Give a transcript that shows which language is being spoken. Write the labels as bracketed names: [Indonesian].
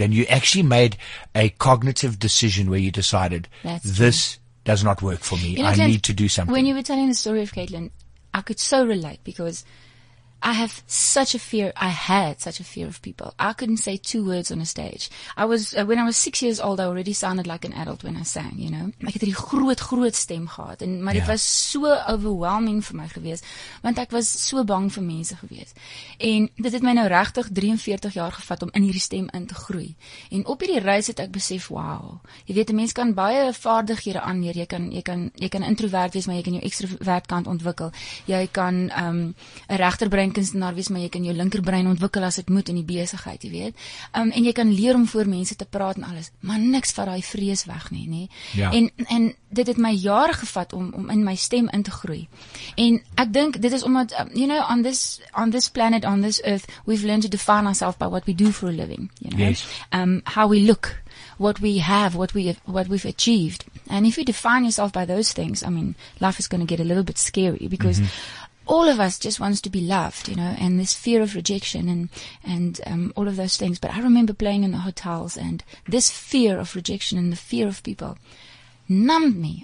[English] And you actually made a cognitive decision where you decided this does not work for me. You know, I need to do something. When you were telling the story of Caitlin, I could so relate because I had such a fear of people. I couldn't say two words on a stage. I was when I was 6 years old, I already sounded like an adult when I sang, you know. [Afrikaans] Ek het 'n groot, groot stem gehad. Maar dit was so overwhelming vir my gewees, want ek was so bang vir mense gewees. En dit het my nou regtig 43 jaar gevat om in hierdie stem in te groei. En op hierdie reis het ek besef, wow, jy weet, 'n mens kan baie vaardighede aanleer. Jy kan introvert wees, maar jy kan jou extrovert kant ontwikkel. Jy kan 'n regterbrein kunstenaar wees, maar jy kan jou linkerbrein ontwikkel as ek moet in die besigheid, jy weet. En jy kan leer om voor mense te praat en alles, maar niks van daai vrees weg nie, nie. Ja. En dit het my jare gevat om in my stem in te groei. En ek dink, dit is omdat, [English] you know, on this planet, on this earth, we've learned to define ourselves by what we do for a living, you know. Yes. How we look, what we have, what we've achieved. And if you define yourself by those things, I mean, life is going to get a little bit scary because all of us just wants to be loved, you know, and this fear of rejection and all of those things. But I remember playing in the hotels and this fear of rejection and the fear of people numbed me.